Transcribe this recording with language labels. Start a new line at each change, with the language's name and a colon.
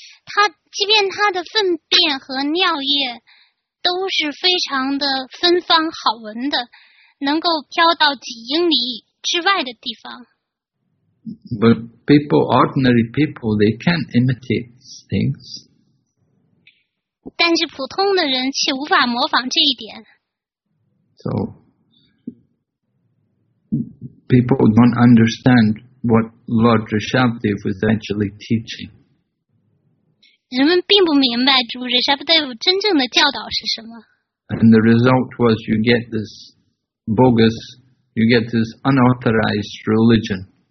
Chinese: 他即便他的粪便和尿液都是非常的芬芳好闻的，能够飘到几英里之外的地方。
English: But people, ordinary people, they can't imitate things.
Chinese: 但是普通的人却无法模仿这一点。
English: So, people don't understand what Lord Rishabdev was actually teaching.
Chinese: 人们并不明白主 Rishabdev 真正的教导是什么。
English: And the result was you get this unauthorized religion.